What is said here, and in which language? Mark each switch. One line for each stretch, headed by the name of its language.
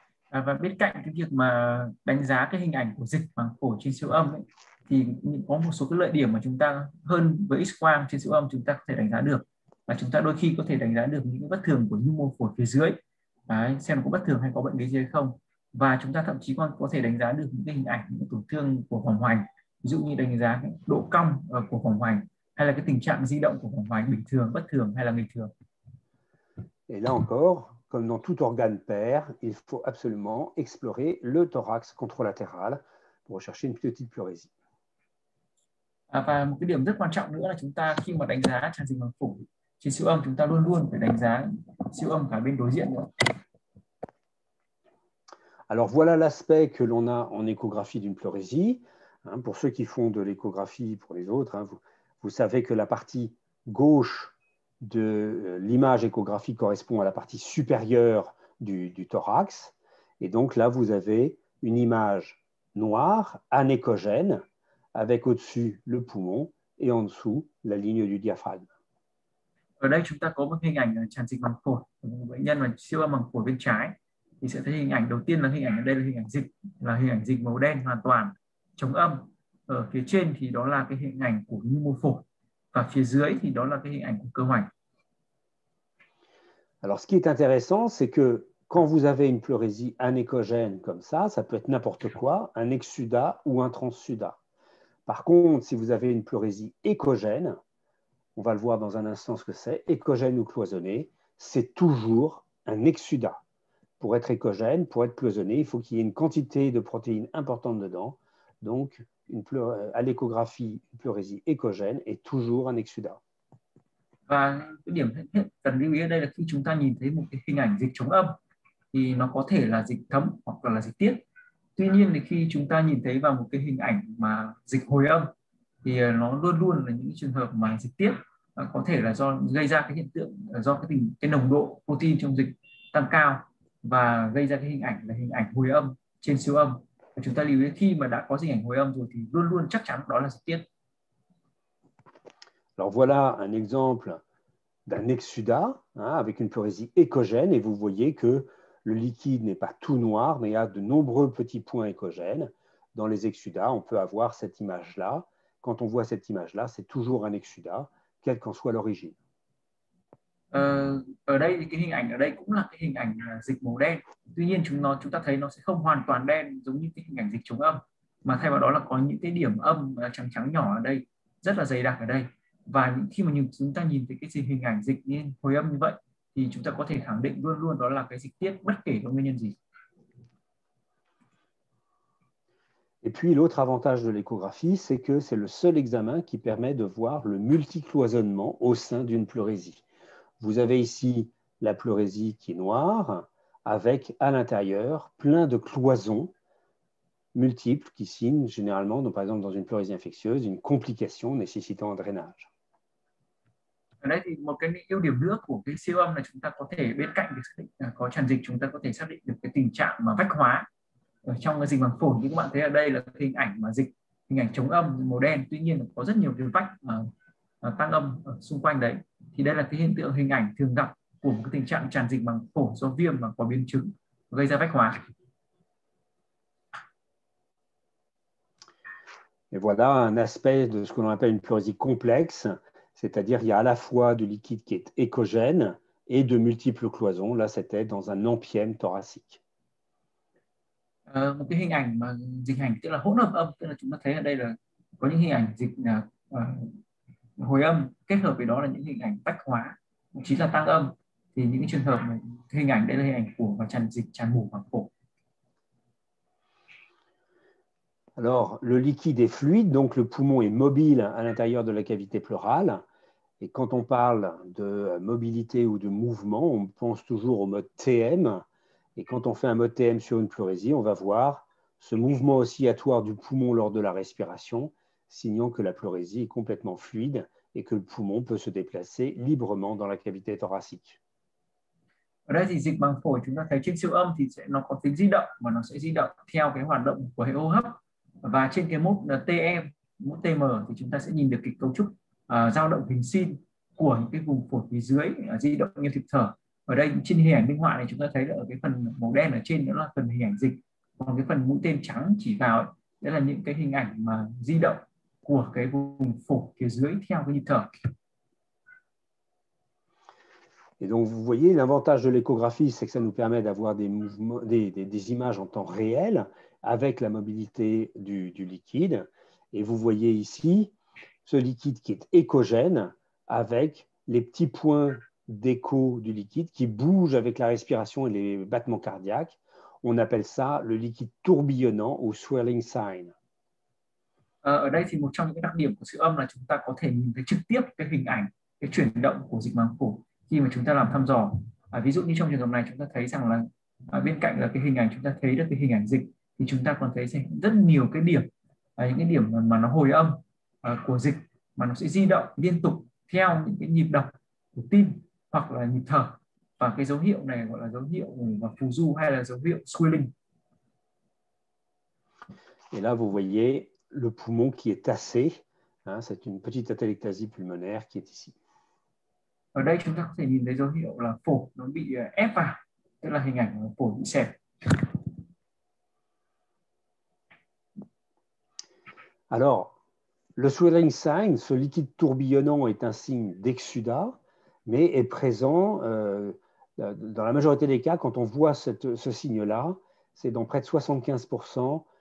Vietnamese: Và bên cạnh cái việc mà đánh giá cái hình ảnh của dịch màng phổi trên siêu âm ấy, thì có một số cái lợi điểm mà chúng ta hơn với X-quang trên siêu âm chúng ta có thể đánh giá được, và chúng ta đôi khi có thể đánh giá được những cái bất thường của nhu mô phổi phía dưới đấy, xem có bất thường hay có bệnh lý gì hay không, và chúng ta thậm chí còn có thể đánh giá được những cái hình ảnh những tổn thương của vòng hoành, ví dụ như đánh giá cái độ cong của vòng hoành hay là cái tình trạng di động của vòng hoành bình thường, bất thường hay là bình thường.
French: Et là encore, comme dans tout organe paire, il faut absolument explorer le thorax contralatéral pour rechercher une petite pleurésie.
Vietnamese: Và một cái điểm rất quan trọng nữa là chúng ta khi mà đánh giá tràn dịch màng phổi trên siêu âm, chúng ta luôn luôn phải đánh giá siêu âm cả bên đối diện nữa.
French: Alors voilà l'aspect que l'on a en échographie d'une pleurésie. Hein, pour ceux qui font de l'échographie, pour les autres, hein, vous savez que la partie gauche de l'image échographique correspond à la partie supérieure du thorax. Et donc là, vous avez une image noire, anéchogène, avec au-dessus le poumon et en dessous la ligne du diaphragme.
Vietnamese: Ở đây chúng ta có một hình ảnh tràn dịch màng phổi bệnh nhân là siêu âm màng phổi bên trái, thì sẽ thấy hình ảnh đầu tiên là hình ảnh ở đây là hình ảnh dịch, là hình ảnh dịch màu đen hoàn toàn chống âm. Ở phía trên thì đó là cái hình ảnh của nhu mô phổi, và phía dưới thì đó là cái hình ảnh của cơ hoành.
French: Alors, ce qui est intéressant, c'est que quand vous avez une pleurésie anéchogène comme ça peut être n'importe quoi, un exsudat ou un transsudat. Par contre, si vous avez une pleurésie échogène, on va le voir dans un instant ce que c'est, échogène ou cloisonné, c'est toujours un exsudat. Pour être échogène, pour être cloisonné, il faut qu'il y ait une quantité de protéines importante dedans. Donc, à l'échographie, une pleurésie échogène est toujours un exsudat.
Vietnamese: Và cái điểm cần lưu ý ở đây là khi chúng ta nhìn thấy một cái hình ảnh dịch chống âm thì nó có thể là dịch thấm hoặc là dịch tiết. Tuy nhiên thì khi chúng ta nhìn thấy vào một cái hình ảnh mà dịch hồi âm thì nó luôn luôn là những trường hợp mà dịch tiết, có thể là do gây ra cái hiện tượng do cái nồng độ protein trong dịch tăng cao và gây ra cái hình ảnh là hình ảnh hồi âm trên siêu âm. Và chúng ta lưu ý khi mà đã có hình ảnh hồi âm rồi thì luôn luôn chắc chắn đó là dịch tiết.
French: Alors voilà un exemple d'un exsudat, hein, avec une pleurésie échogène et vous voyez que le liquide n'est pas tout noir mais il y a de nombreux petits points échogènes. Dans les exsudats, on peut avoir cette image-là. Quand on voit cette image-là, c'est toujours un exsudat, quelle qu'en soit l'origine.
Vietnamese: Ở đây thì cái hình ảnh ở đây cũng là cái hình ảnh dịch màu đen. Tuy nhiên chúng ta thấy nó sẽ không hoàn toàn đen giống như cái hình ảnh dịch chống âm, mà thay vào đó là có những cái điểm âm trắng trắng nhỏ ở đây, rất là dày đặc ở đây. Và khi mà chúng ta nhìn thấy cái gì hình ảnh dịch như hồi âm như vậy thì chúng ta có thể khẳng định luôn luôn đó là cái dịch tiết bất kể có nguyên nhân gì.
French: Et puis l'autre avantage de l'échographie, c'est que c'est le seul examen qui permet de voir le multicloisonnement au sein d'une pleurésie. Vous avez ici la pleurésie qui est noire, avec à l'intérieur plein de cloisons multiples qui signent généralement, donc par exemple dans une pleurésie infectieuse, une complication nécessitant un drainage.
Vietnamese: Ở đây thì một cái ưu điểm nữa của cái siêu âm là chúng ta có thể bên cạnh việc xác định có tràn dịch, chúng ta có thể xác định được cái tình trạng mà vách hóa ở trong cái dịch màng phổi. Như các bạn thấy ở đây là cái hình ảnh mà dịch, hình ảnh chống âm màu đen, tuy nhiên có rất nhiều cái vách tăng âm ở xung quanh đấy, thì đây là cái hiện tượng hình ảnh thường gặp của một cái tình trạng tràn dịch màng phổi do viêm mà có biến chứng gây ra vách hóa.
French: Et voilà un aspect de ce que l'on appelle une pleurésie complexe, c'est-à-dire il y a à la fois du liquide qui est échogène et de multiples cloisons. Là, c'était dans un empyème thoracique.
Vietnamese: Một cái hình ảnh mà dịch hành tức là hỗn hợp âm, tức là chúng ta thấy ở đây là có những hình ảnh dịch hồi âm kết hợp với đó là những hình ảnh tách hóa, chính là tăng âm. Thì những trường hợp này, hình ảnh đây là hình ảnh của và tràn dịch, tràn mủ màng phổi.
French: Alors, le liquide est fluide, donc le poumon est mobile à l'intérieur de la cavité pleurale. Et quand on parle de mobilité ou de mouvement, on pense toujours au mode TM. Et quand on fait un mode TM sur une pleurésie, on va voir ce mouvement oscillatoire du poumon lors de la respiration, signant que la pleurésie est complètement fluide et que le poumon peut se déplacer librement dans la cavité thoracique.
Vietnamese: Ở đây thì dịch màng phổi chúng ta thấy trên siêu âm thì sẽ nó có tính di động và nó sẽ di động theo cái hoạt động của hệ hô hấp, và trên cái mốt TM, mốt TM thì chúng ta sẽ nhìn được cái cấu trúc dao động hình sin của những cái vùng phổi phía dưới di động như nhịp thở. Ở đây trên hình ảnh minh họa này chúng ta thấy là ở cái phần màu đen ở trên đó là phần hình ảnh dịch, còn cái phần mũi tên trắng chỉ vào ấy, đấy là những cái hình ảnh mà di động của cái vùng phổi phía dưới theo cái nhịp thở.
French: Et donc, vous voyez, l'avantage de l'échographie, c'est que ça nous permet d'avoir des mouvements, des images en temps réel avec la mobilité du liquide. Et vous voyez ici ce liquide qui est échogène avec les petits points d'écho du liquide qui bougent avec la respiration et les battements cardiaques. On appelle ça le liquide tourbillonnant ou swirling sign.
Vietnamese: Ở đây thì một trong những đặc điểm của siêu âm là chúng ta có thể nhìn thấy trực tiếp cái hình ảnh, cái chuyển động của dịch màng phổi khi mà chúng ta làm thăm dò. Ví dụ như trong trường hợp này chúng ta thấy rằng là bên cạnh là cái hình ảnh chúng ta thấy được cái hình ảnh dịch, thì chúng ta còn thấy rất nhiều cái điểm, những cái điểm mà nó hồi âm của dịch mà nó sẽ di động liên tục theo những cái nhịp đập của tim hoặc là nhịp thở. Và cái dấu hiệu này gọi là dấu hiệu mà phù du hay là dấu hiệu swelling.
French: Et là, vous voyez le poumon qui est tassé. Hein, c'est une petite atélectasie pulmonaire qui est ici.
Vietnamese: Ở đây chúng ta có thể nhìn thấy dấu hiệu là phổi nó bị ép vào, tức là hình ảnh phổi bị xẹp.
French: Alors, le swelling sign, ce liquide tourbillonnant, est un signe d'exsudat, mais est présent dans la majorité des cas, quand on voit ce signe-là, c'est dans près de 75%.